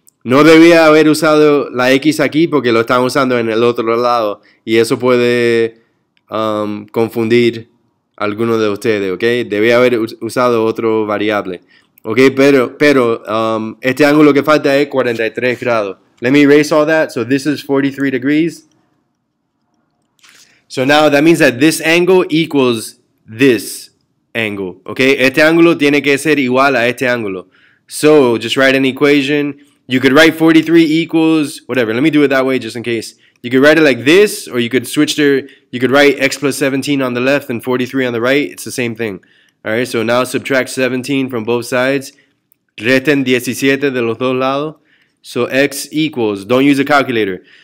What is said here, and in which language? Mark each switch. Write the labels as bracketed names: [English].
[Spanish] No debía haber usado la X aquí porque lo están usando en el otro lado. Y eso puede confundir alguno de ustedes, okay? Debía haber usado otro variable. Okay, pero este ángulo que falta es 43 grados. [English] Let me erase all that. So this is 43 degrees. So now that means that this angle equals this angle, okay? [Spanish] Este ángulo tiene que ser igual a este ángulo. [English] So just write an equation. You could write 43 equals, whatever. Let me do it that way just in case. You could write it like this, or you could switch there. You could write x plus 17 on the left and 43 on the right. It's the same thing. All right, so now subtract 17 from both sides. [Spanish] Reten 17 de los dos lados. [English] So x equals, don't use a calculator.